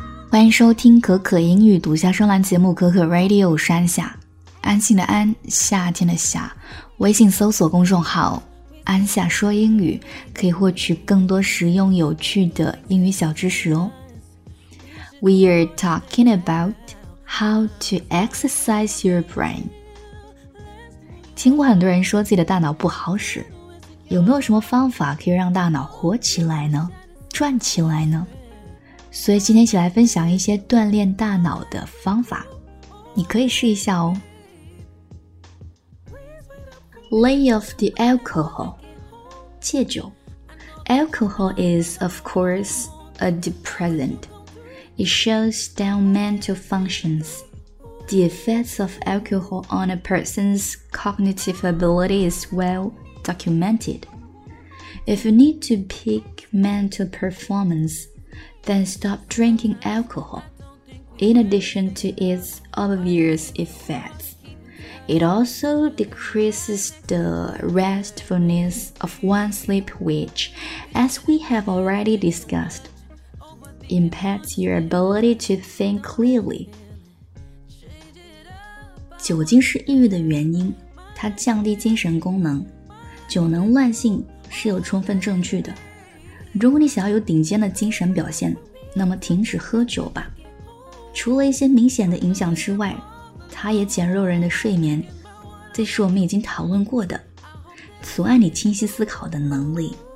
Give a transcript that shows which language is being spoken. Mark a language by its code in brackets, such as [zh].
[zh] 欢迎收听可可英语独家声浪节目可可 Radio 山下，安心的安，夏天的夏。微信搜索公众号安夏说英语，可以获取更多实用有趣的英语小知识哦。 [en] We are talking about how to exercise your brain。 [zh] 听过很多人说自己的大脑不好使，有没有什么方法可以让大脑活起来呢，转起来呢？所以今天一起来分享一些锻炼大脑的方法，你可以试一下哦。 [en] Lay off the alcohol， [zh] 戒酒。 [en] Alcohol is of course a depressant. It shuts down mental functions. The effects of alcohol on a person's cognitive ability is well documented. If you need to peak mental performanceThen stop drinking alcohol. In addition to its obvious effects, it also decreases the restfulness of one's sleep, which, as we have already discussed, impacts your ability to think clearly. [zh] 酒精是抑郁的原因，它降低精神功能。酒能乱性是有充分证据的。如果你想要有顶尖的精神表现，那么停止喝酒吧。除了一些明显的影响之外，它也减弱人的睡眠，这是我们已经讨论过的，阻碍你清晰思考的能力。